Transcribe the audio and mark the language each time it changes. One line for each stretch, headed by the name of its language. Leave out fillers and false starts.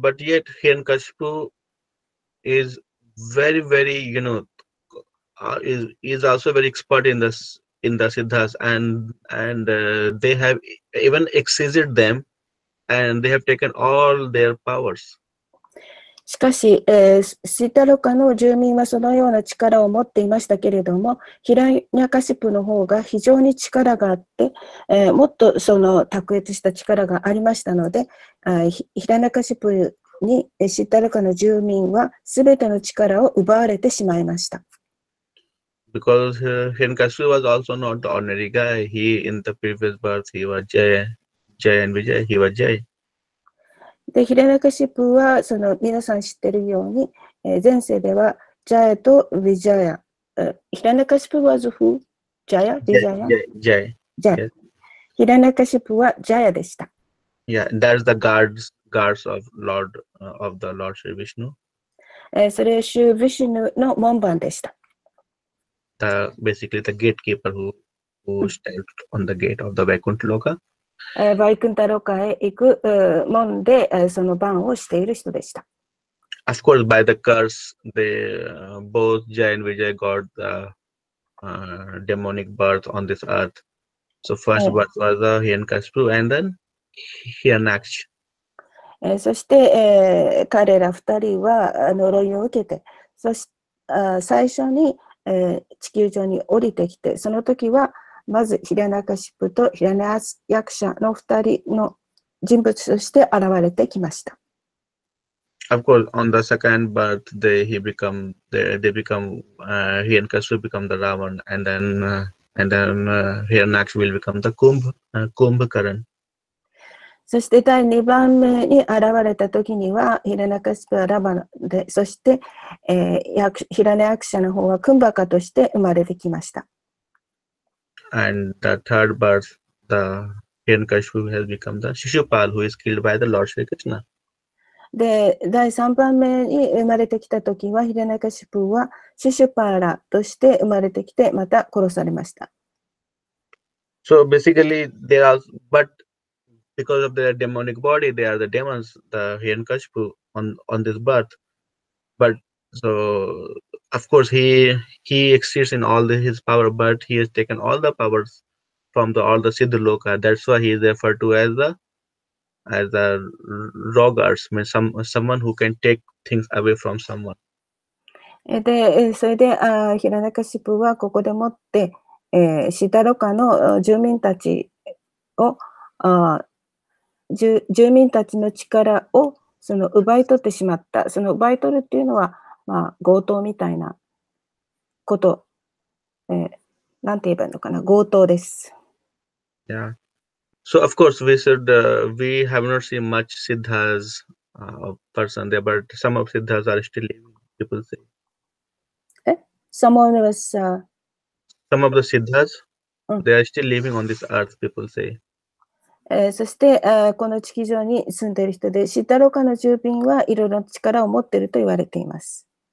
English: But yet Hiranyakashipu is very, very, you know, is also very expert in this. In the Siddhas and they have even exceeded them and they have taken all their powers.
Japanese: しかし、シッタローカの住民はそのような力を持っていましたけれども、ヒラニャカシプの方が非常に力があって、もっとその卓越した力がありましたので、ヒラニャカシプにシッタローカの住民は全ての力を奪われてしまいました。
English: Because Hiranyakashipu was also not the ordinary guy. He, in the previous birth, he was Jaya, Jaya and Vijaya. He was Jaya.
Japanese: で、ヒラニャカシプは、その、皆さん知ってるように、前世では、Jaya と Vijaya。
English: ヒラニャカシプ was who? Jaya? Vijaya? Jaya. Jaya.
Japanese: ヒラナカシプはジャヤでした。
English: Yeah, that's the guards of Lord, of the Lord Shri Vishnu.
Japanese: それはシュヴィシュヌの門番でした。
English: Basically the gatekeeper who stands on the gate of the Vaikuntha Loka.
Japanese: Vaikuntha Loka へ行く門で、その番をしている人でした。
English: Of course, by the curse, they, both Jaya and Vijaya got the demonic birth on this earth. So first birth was the Hiranyakashipu and then Hiranaksha.
Japanese: そして、彼ら二人は呪いを受けて、そして最初に、地球上に降りてきて、その時はまずヒラナカシプとヒラナヤクシャの二人の人物として現れてきました。
English: Of course, on the second birth, Hiranyakashipu become the Ravan, and then Hiranaksha will become the Kumbhakaran.
Japanese: そして第2番目に現れた時には、ヒラナカシプはラバで、そして、ヒラナヤクシャの方はクンバカとして生まれてきました。
English: And the third birth, the Hiranyakashipu has become the Shishupal, who is killed by the Lord Shri Krishna.
Japanese: で第3番目に生まれてきた時は、ヒラナカシプはシュシュパーラとして生まれてきて、また殺されました。
English: So basically, there are, but because of their demonic body, they are the demons, the Hiranyakashipu on this birth. But so, of course, he exists in all his power, but he has taken all the powers from all the Siddha Loka. That's why he is referred to as the rogers, means someone who can take things away from someone.
Japanese: で、それで、ヒラナカシプはここでもって、シダロカの住民たちを、住民たちの力をその奪い取ってしまった。その奪い取るっていうのは、まあ、強盗みたいなこと、なんて言えばいいのかな、強盗です。
English: Yeah. So of course we said we have not seen much Siddhas person there, but some of Siddhas are still living, people say. Someone was. Some of the Siddhas, they are still living on this earth, people say.
Japanese: そして、この地球上に住んでいる人で、シッダロカの住民はいろいろな力を持っていると言われています。